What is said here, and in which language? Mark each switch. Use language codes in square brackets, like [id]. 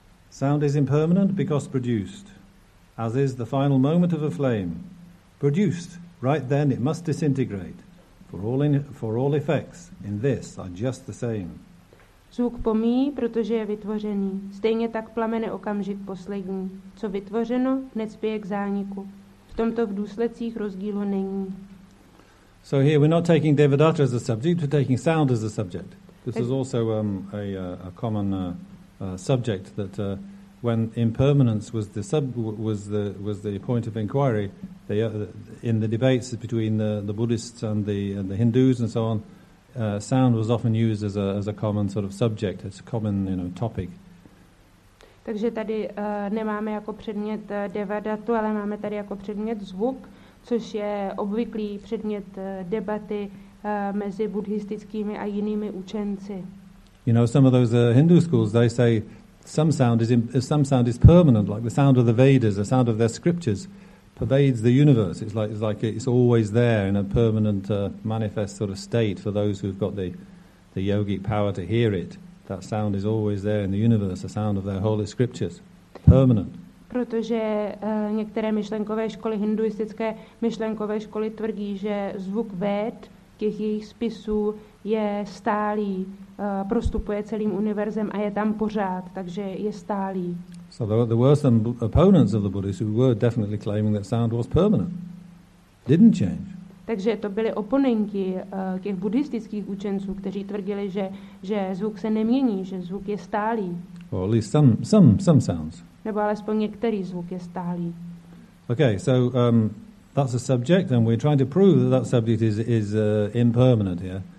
[en] Sound is impermanent because produced, as is the final moment of a flame. Produced, right then it must disintegrate. For all effects in this are just the same. [cs] Zvuk pomíjí, protože je vytvořený. Stejně tak plamene okamžik poslední. Co vytvořeno, hned spěje k zániku. V tomto v důsledcích rozdílu není. [en] So here we're not taking Devadatta as a subject, we're taking sound as a subject. This is also a common subject that when impermanence was the point of inquiry, in the debates between the Buddhists and the Hindus and so on, sound was often used as a common sort of subject, as a common, you know, topic. [cs] Takže tady nemáme jako předmět Devadatu, ale máme tady jako předmět zvuk, což je obvyklý předmět debaty mezi buddhistickými a jinými učenci. [en] You know, some of those Hindu schools, they say some sound is permanent, like the sound of the Vedas, the sound of their scriptures pervades the universe. It's like it's always there in a permanent manifest sort of state for those who've got the yogic power to hear it. That sound is always there in the universe, the sound of their holy scriptures. Permanent. [cs] Protože některé myšlenkové školy, hinduistické myšlenkové školy tvrdí, že zvuk véd, těch jejich spisů, je stálý, prostupuje celým univerzem a je tam pořád, takže je stálý. [en] So there were some opponents of the Buddhists who were definitely claiming that sound was permanent. Didn't change. [cs] Takže to byli oponenti těch buddhistických učenců, kteří tvrdili, že zvuk se nemění, že zvuk je stálý. [en] Or at least some sounds. [cs] Nebo alespoň některý zvuk je stálý. [en] Okay, so that's a subject and we're trying to prove that subject is impermanent here.